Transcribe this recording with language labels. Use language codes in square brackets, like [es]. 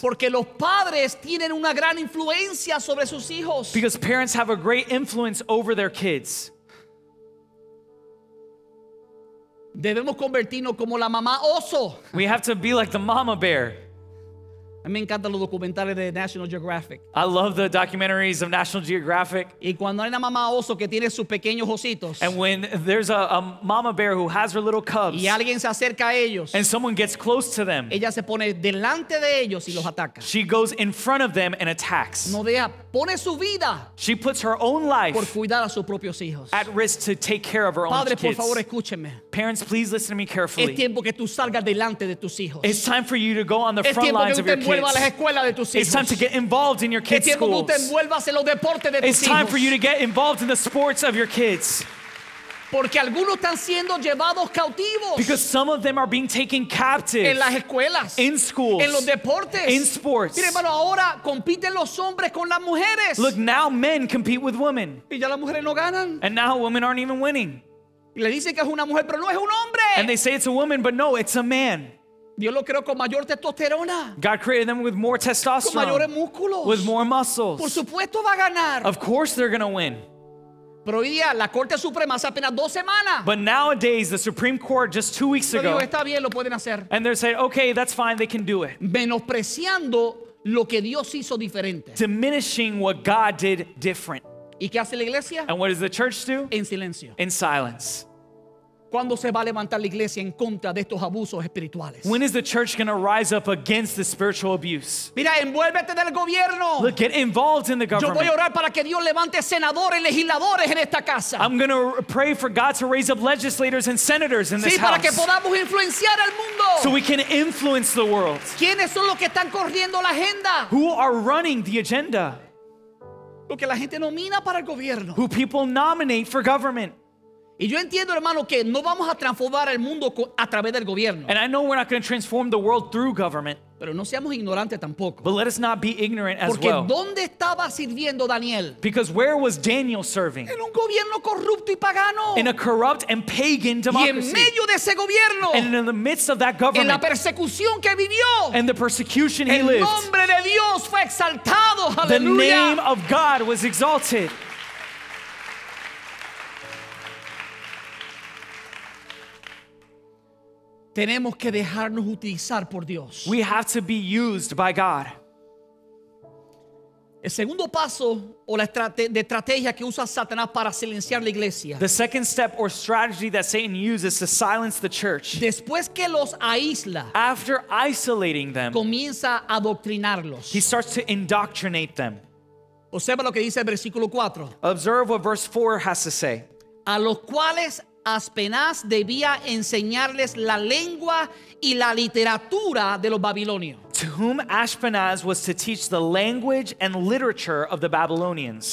[es] Porque los padres tienen una gran influencia sobre sus hijos. [en] Because parents have a great influence over their kids. [es] Debemos convertirnos como la mamá oso. [en] We have to be like the mama bear. [es] Me encantan los documentales de National Geographic. [en] I love the documentaries of National Geographic. [es] Y cuando hay una mamá oso que tiene sus pequeños ositos. [en] And when there's a mama bear who has her little cubs. [es] Y alguien se acerca a ellos. [en] And someone gets close to them. [es] Ella se pone delante de ellos y los ataca. [en] She goes in front of them and attacks. [es] No deja, pone su vida. [en] She puts her own life. [es] Por cuidar a sus propios hijos. [en] At risk to take care of her own [es] Padre, [en] kids. [es] Padre, por favor, escúcheme. [en] Parents, please listen to me carefully. [es] Es tiempo que tú salgas delante de tus hijos. [en] It's time for you to go on the front lines of your kids. It's time to get involved in your kids' schools. It's time for you to get involved in the sports of your kids. [es] Porque algunos están siendo llevados cautivos. [en] Because some of them are being taken captive. [es] En las escuelas. [en] In schools. [es] En los deportes. [en] In sports. [es] Mire, hermano, ahora compiten los hombres con las mujeres. [en] Look, now men compete with women. [es] Y ya las mujeres no ganan. [en] And now women aren't even winning. [es] Y le dicen que es una mujer, pero no es un hombre. [en] And they say it's a woman, but no, it's a man. [es] Dios lo creó con mayor testosterona. [en] God created them with more testosterone. [es] Con mayores músculos. [en] With more muscles. [es] Por supuesto va a ganar. [en] Of course they're going to win. [es] Pero hoy día la Corte Suprema hace apenas dos semanas. [en] But nowadays the Supreme Court just 2 weeks ago. [es] Está bien, lo pueden hacer. [en] And they're saying, okay, that's fine, they can do it. [es] Menospreciando lo que Dios hizo diferente. [en] Diminishing what God did different. [es] ¿Y qué hace la iglesia? [en] And what does the church do? [es] En silencio. [en] In silence. [es] ¿Cuándo se va a levantar la iglesia en contra de estos abusos espirituales? [en] When is the church going to rise up against the spiritual abuse? [es] Mira, envuélvete del gobierno. [en] Look, get involved in the government. [es] Yo voy a orar para que Dios levante senadores, legisladores en esta casa. [en] I'm going to pray for God to raise up legislators and senators in this house. [es] Sí, para [en] house. [es] Que podamos influenciar el mundo. [en] So we can influence the world. [es] ¿Quiénes son los que están corriendo la agenda? [en] Who are running the agenda? [es] Los que la gente nomina para el gobierno. [en] Who people nominate for government. [es] Y yo entiendo, hermano, que no vamos a transformar el mundo a través del gobierno. [en] And I know we're not going to transform the world through government. [es] Pero no seamos ignorantes tampoco. [en] But let us not be ignorant as [es] Porque [en] well. [es] Porque ¿dónde estaba sirviendo Daniel? [en] Because where was Daniel serving? [es] En un gobierno corrupto y pagano. [en] In a corrupt and pagan democracy. [es] Y en medio de ese gobierno. [en] And in the midst of that government. [es] En la persecución que vivió. [en] And the persecution he lived. [es] El nombre de Dios fue exaltado. Aleluya. [en] The name of God was exalted. [es] Tenemos que dejarnos utilizar por Dios. [en] We have to be used by God. [es] El segundo paso o la estrategia que usa Satanás para silenciar la iglesia. [en] The second step or strategy that Satan uses to silence the church. [es] Después que los aísla. [en] After isolating them. [es] Comienza a adoctrinarlos. [en] He starts to indoctrinate them. [es] Observa lo que dice el versículo 4. [en] Observe what verse 4 has to say. [es] A los cuales Aspenaz debía enseñarles la lengua y la literatura de los babilonios. [en] To whom Aspenaz was to teach the language and literature of the Babylonians.